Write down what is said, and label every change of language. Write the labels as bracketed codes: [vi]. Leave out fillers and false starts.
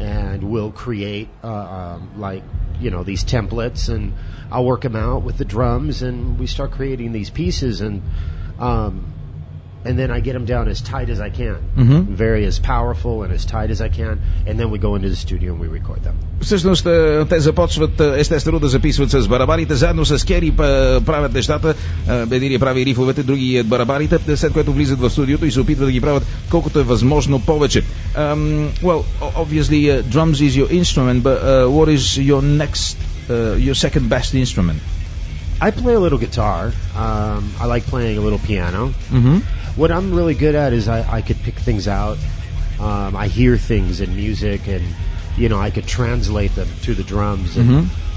[en] and we'll create like, you know, these templates, and I'll work them out with the drums, and we start creating these pieces, and then I get them down as tight as I can, mm-hmm. very as powerful and as tight as I can, and then we go into the studio and we record them. [bg] Всъщност, те започват естествено да записват с барабаните, заедно с Кери правят нещата. Единият прави рифовете, другият барабаните, след което влизат в студиото и се опитват да ги правят колкото е възможно повече. [en] Well, obviously, drums is your instrument, but what is your second best instrument? I play a little guitar. I like playing a little piano. Mm-hmm. What I'm really good at is I could pick things out. I hear things in music, and, you know, I could translate them to the drums, and mm-hmm.